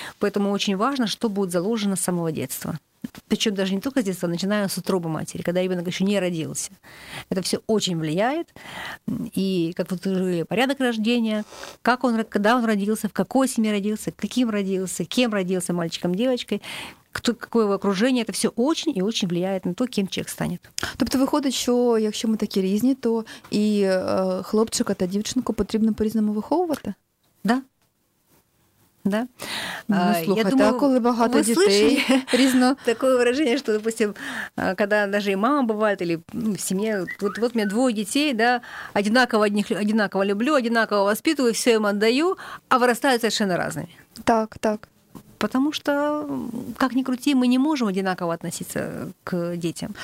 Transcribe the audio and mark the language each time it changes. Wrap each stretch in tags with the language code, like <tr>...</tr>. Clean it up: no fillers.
<ru>Поэтому очень важно, что будет заложено с самого детства. Причем даже не только с детства, начиная с утробы матери, когда ребенок еще не родился. Это все очень влияет. И как вот порядок рождения, как он, когда он родился, в какой семье родился, каким родился, кем родился, мальчиком, девочкой, кто, какое его окружение, это все очень и очень влияет на то, кем человек станет. То есть выходит, что если мы такие разные, то и</ru> <uk>хлопчика та дівчинку потрібно по-різному виховувати?</uk> <ru>Да. Да.</ru> <uk>Ну, слухайте, я думаю, коли багато ми дітей, слышали різно...</uk> <ru>такое выражение, что, допустим, когда даже и мама бывает, или в семье, вот у меня двое детей, да, одинаково люблю, одинаково воспитываю, все им отдаю, а вырастают совершенно разными. Так, так. Потому что, как ни крути, мы не можем одинаково относиться к детям.</ru>